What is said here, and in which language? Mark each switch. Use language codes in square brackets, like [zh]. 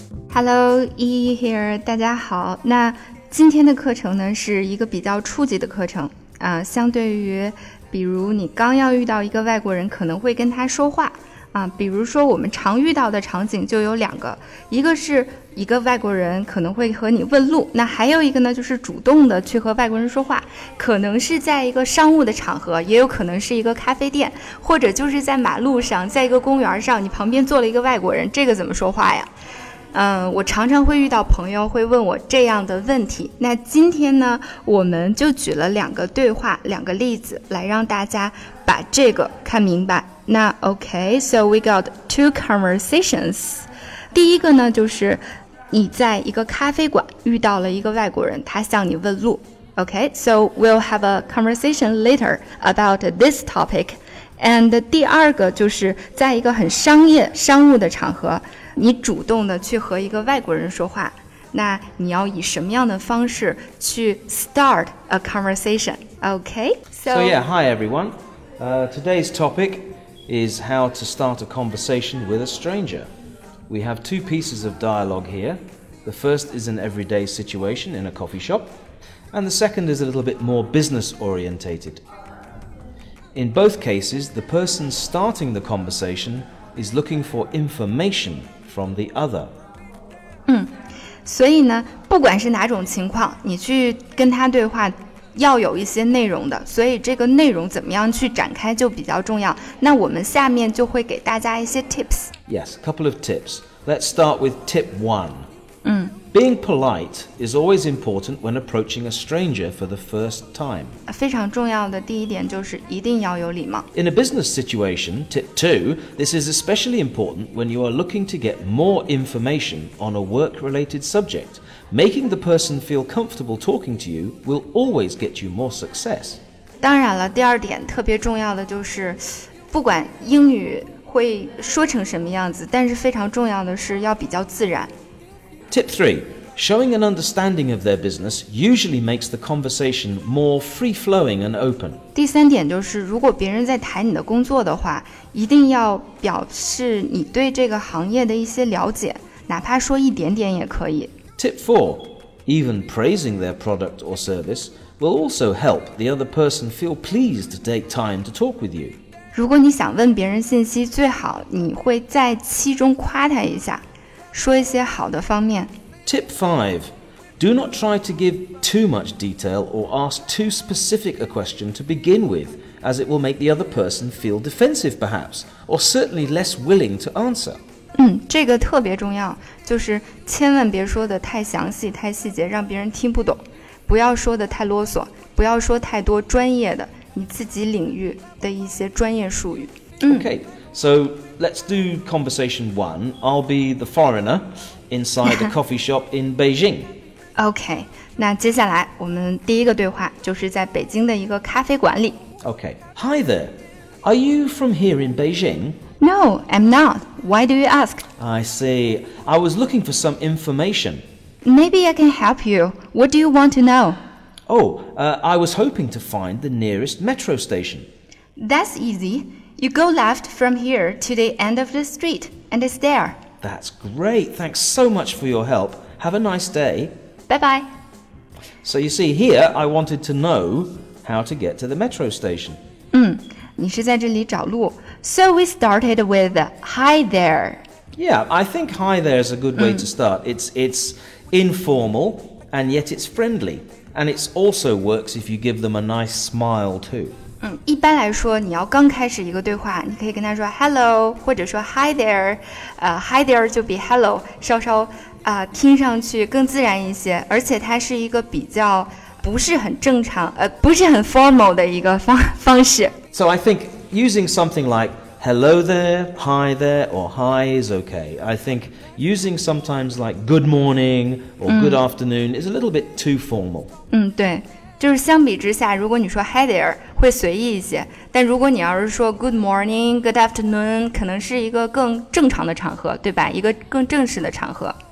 [en] Hello, E here, [zh] 大家好。那今天的课程呢是一个比较初级的课程，相对于比如你刚要遇到一个外国人可能会跟他说话，比如说我们常遇到的场景就有两个，一个是一个外国人可能会和你问路，那还有一个呢就是主动的去和外国人说话，可能是在一个商务的场合，也有可能是一个咖啡店，或者就是在马路上，在一个公园上，你旁边坐了一个外国人，这个怎么说话呀？我常常会遇到朋友会问我这样的问题。那今天呢，我们就举了两个对话，两个例子，来让大家把这个看明白。 [en] 那 OK, so we got two conversations. [zh] 第一个呢，就是你在一个咖啡馆遇到了一个外国人，他向你问路。 [en] OK, so we'll have a conversation later about this topic. [zh] And 第二个就是在一个很商业、商务的场合，你主动的去和一个外国人说话，那你要以什么样的方式去 [en] start a conversation? OK? So yeah, hi everyone. Today's topic is how to start a conversation with a stranger. We have two pieces of dialogue here. The first is an everyday situation in a coffee shop, and the second is a little bit more business orientated. In both cases, the person starting the conversation is looking for information. From the other. [zh] 所以呢，不管是哪种情况，你去跟他对话，要有一些内容的。所以这个内容怎么样去展开就比较重要。那我们下面就会给大家一些 tips. [en] Yes, a couple of tips. Let's start with tip one. Being polite is always important when approaching a stranger for the first time. [zh] 非常重要的第一点就是一定要有礼貌。 [en] In a business situation, tip two, this is especially important when you are looking to get more information on a work-related subject. Making the person feel comfortable talking to you will always get you more success. [zh] 当然了，第二点特别重要的就是，不管英语会说成什么样子，但是非常重要的是要比较自然。 [en] Tip 3. Showing an understanding of their business usually makes the conversation more free-flowing and open. [zh] 第三点就是如果别人在谈你的工作的话，一定要表示你对这个行业的一些了解，哪怕说一点点也可以。 [en] Tip 4. Even praising their product or service will also help the other person feel pleased to take time to talk with you. [zh] 如果你想问别人信息，最好你会在其中夸他一下。说一些好的方面。 [en] Tip 5. Do not try to give too much detail or ask too specific a question to begin with, as it will make the other person feel defensive perhaps, or certainly less willing to answer. [zh] 这个特别重要，就是千万别说的太详细、太细节，让别人听不懂。不要说的太啰嗦，不要说太多专业的，你自己领域的一些专业术语。 [en] Okay, so let's do conversation one. I'll be the foreigner inside a coffee shop in Beijing. [zh] Okay, 那接下来我们第一个对话就是在北京的一个咖啡馆里。 [en] Okay, hi there. Are you from here in Beijing? No, I'm not. Why do you ask? I see. I was looking for some information. Maybe I can help you. What do you want to know? Oh, I was hoping to find the nearest metro station. That's easy. You go left from here to the end of the street, and it's there. That's great. Thanks so much for your help. Have a nice day. Bye-bye. So you see, here I wanted to know how to get to the metro station. [zh] 你是在这里找路。 [en] So we started with hi there. Yeah, I think hi there is a good way to start. It's informal, and yet it's friendly. And it also works if you give them a nice smile too. [zh] 一般来说你要刚开始一个对话，你可以跟他说 hello 或者说 [en] hi there hi there [zh] 就比 hello 稍稍听上去更自然一些，而且它是一个比较不是很正常不是很 formal 的一个 方式。 [en] So I think using something like hello there, hi there, or hi is okay. I think using sometimes like good morning or good afternoon is a little bit too formal. [zh] 对，就是相比之下，如果你说 [en] Hi there [zh] 会随意一些，但如果你要是说 [en] Good morning, Good afternoon, [zh] 可能是一个更正常的场合，对吧？一个更正式的场合。